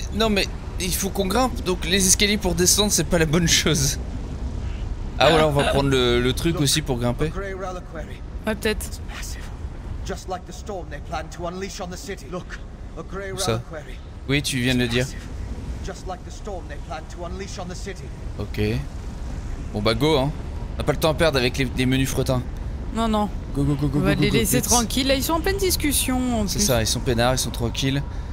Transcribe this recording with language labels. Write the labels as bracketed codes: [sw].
[fr] Mais il faut qu'on grimpe, donc les escaliers pour descendre, c'est pas la bonne chose. Ah voilà, on va prendre le truc aussi pour grimper. Ouais, peut-être. [en] Just like the storm they plan to unleash on the city. Look, a [fr] grey reliquary. Oui, tu viens de le dire. [en] Just like the storm they plan to unleash on the city. [fr] OK. Bon bah go hein. On a pas le temps à perdre avec les menus fretins. Non non. [en] Go go go go. [fr] On va les laisser tranquilles, là ils sont en pleine discussion. C'est ça, ils sont peinards, ils sont tranquilles.